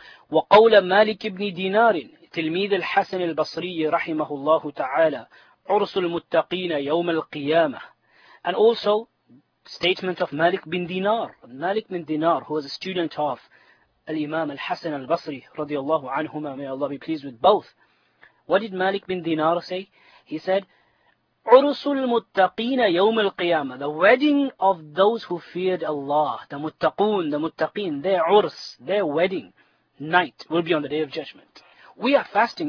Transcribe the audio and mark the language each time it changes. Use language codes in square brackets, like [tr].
[ar] وَقَوْلَ مَالِكِ بْنِ دِينَارٍ تِلْمِيذِ الْحَسَنِ الْبَصْرِيِّ رَحِمَهُ اللَّهُ تَعَالَى عُرْسُ الْمُتَّقِينَ يَوْمَ الْقِيَامَةِ. [en] And also, statement of Malik bin Dinar. Malik bin Dinar, who was a student of Al-Imam Al-Hasan Al-Basri radiyallahu anhuma, may Allah be pleased with both. What did Malik bin Dinar say? He said, [ar] عُرْسُ الْمُتَّقِينَ يَوْمَ الْقِيَامَةِ. [en] The wedding of those who feared Allah. The muttaqoon, the muttaqeen, their urs, their wedding night will be on the Day of Judgment. We are fasting.